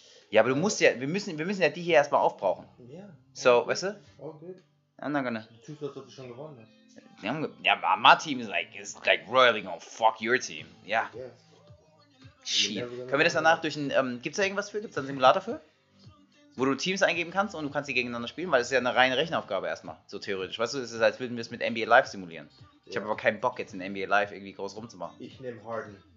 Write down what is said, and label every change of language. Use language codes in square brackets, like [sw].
[de] Ja, aber du musst ja, wir müssen ja die hier erstmal aufbrauchen. Ja. [en] Yeah, so, good. [de] Weißt du? [en] Okay. I'm not gonna. [de] Du tust, dass du schon gewonnen hast. Ja, [en] my team is like royally gonna fuck your team. [de] Ja. [en] Yeah. Yes. [de] Können wir das danach durch ein, gibt's da irgendwas für? Gibt's da einen Simulator für? Wo du Teams eingeben kannst und du kannst sie gegeneinander spielen, weil das ist ja eine reine Rechenaufgabe erstmal, so theoretisch. Weißt du, es ist, als würden wir es mit NBA Live simulieren. Ich habe aber keinen Bock, jetzt in NBA Live irgendwie groß rumzumachen. Ich nehme Harden.